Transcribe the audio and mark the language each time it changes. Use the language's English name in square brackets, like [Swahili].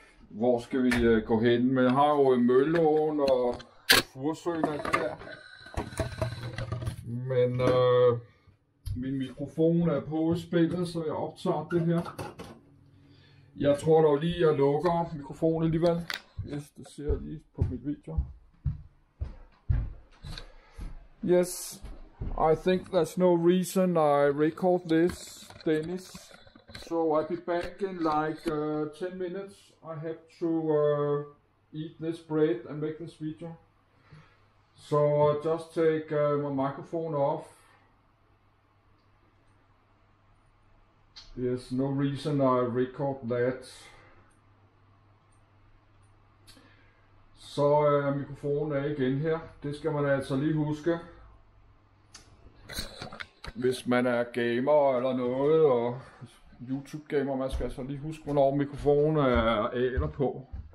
[Danish] Hvor skal vi gå hen? Men jeg har jo Mølleåen og Fursøen og det der. Men min mikrofon er på spillet, så jeg optager det her. Jeg tror dog lige, jeg lukker mikrofonen alligevel. Yes, det ser jeg lige på mit video. [English] Yes, I think there's no reason I record this, Dennis. So I'll be back in like 10 minutes. I have to eat this bread and make this video. So I just take my microphone off. There's no reason I record that. [Danish] Så mikrofonen er igen her. Det skal man altså lige huske. Hvis man er gamer eller noget, og YouTube gamer, man skal altså lige huske, hvornår mikrofonen er af eller på.